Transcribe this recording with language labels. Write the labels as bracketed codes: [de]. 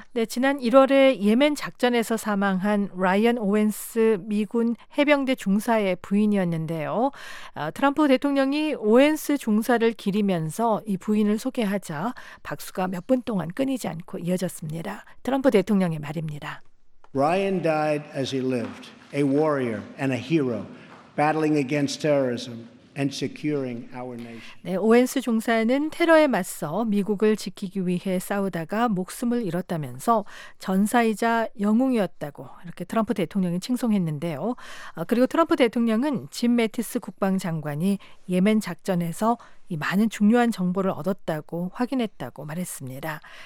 [ko] 네, 지난 1월에 예멘 작전에서 사망한 라이언 오웬스 미군 해병대 중사의 부인이었는데요. 트럼프 대통령이 오웬스 중사를 기리면서 이 부인을 소개하자 박수가 몇 분 동안 끊이지 않고 이어졌습니다. 트럼프 대통령의 말입니다. [en] Ryan died as he lived, a warrior and a hero, battling against terrorism and securing our nation. [ko] 네, 오웬스 종사는 테러에 맞서 미국을 지키기 위해 싸우다가 목숨을 잃었다면서 전사이자 영웅이었다고 이렇게 트럼프 대통령이 칭송했는데요. 그리고 트럼프 대통령은 짐 매티스 국방장관이 예멘 작전에서 이 많은 중요한 정보를 얻었다고 확인했다고 말했습니다.